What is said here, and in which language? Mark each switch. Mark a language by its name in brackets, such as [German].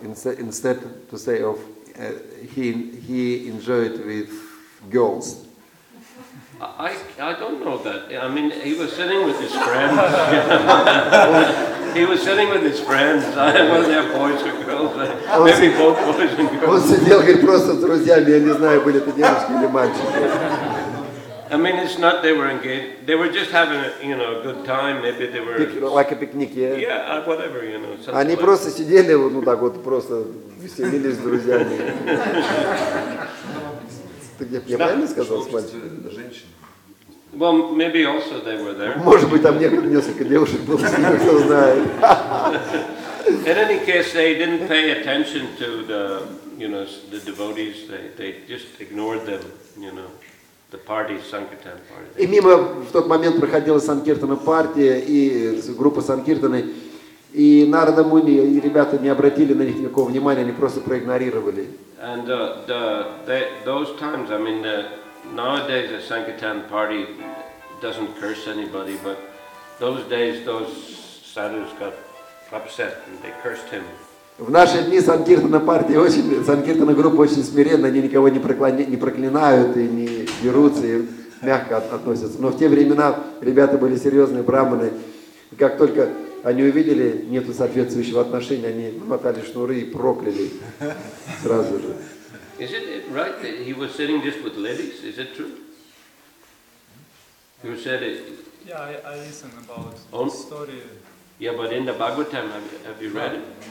[English] Instead to say of he enjoyed with girls. I don't know that. I mean, he was sitting with his friends. He was sitting with his friends. Whether they're boys or girls, maybe both boys and girls. [Russian] Он сидел, говорит, просто с друзьями. Я не знаю, были это девочки или мальчики. [English] I mean, it's not they were engaged. They were just having, a good time. Maybe they were like a picnic, yeah. Yeah, whatever, something. [Russian] Они [English] like [Russian] просто сидели, ну так вот просто веселились с друзьями. Ты правильно сказал, с мальчиком? [English] Well, maybe also they were there. [Russian] Может быть, там несколько девушек было, кто знает. [English] In any case, they didn't pay attention to the devotees. They just ignored them, The party, Sankirtan party. [Russian] И мимо в тот момент проходила Санкиртана партия и группа Санкиртаны, и Нарада Муни и ребята не обратили на них никакого внимания, они просто проигнорировали. [English] And those times, nowadays a Sankirtan party doesn't curse anybody, but those days those sadhus got upset and they cursed him. [Russian] В наши дни Санкиртана партия очень, Санкиртана группа очень смиренна, они никого не проклинают и не дерутся, и мягко относятся. Но в те времена ребята были серьезные брахманы, и как только они увидели нету соответствующего отношения, они хватали шнуры и прокляли сразу же. [English] Is it right that he was sitting just with ladies? Is it true? You said it. Yeah, I listened about the story. Yeah, but in the Bhagavatam, have you read it?